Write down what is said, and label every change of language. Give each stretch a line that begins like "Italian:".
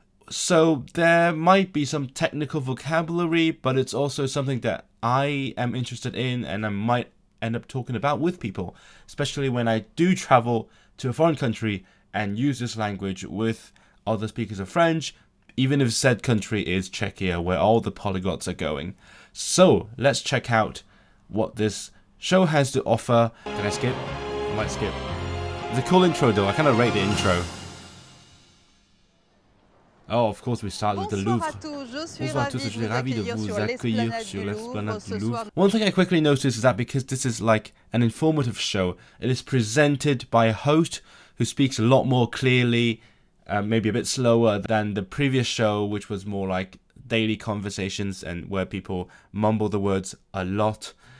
English: So there might be some technical vocabulary, but it's also something that I am interested in and I might end up talking about with people, especially when I do travel to a foreign country and use this language with other speakers of French, even if said country is Czechia, where all the polyglots are going. So let's check out what this show has to offer. Can I skip? I might skip. It's a cool intro though, I kind of rate the intro. Oh, of course, we start with the Louvre.
French: Bonsoir à tous, je suis ravi de vous accueillir sur l'esplanade du Louvre.
English: One thing I quickly noticed is that because this is like an informative show, it is presented by a host who speaks a lot more clearly, maybe a bit slower than the previous show, which was more like daily conversations and where people mumble the words a lot.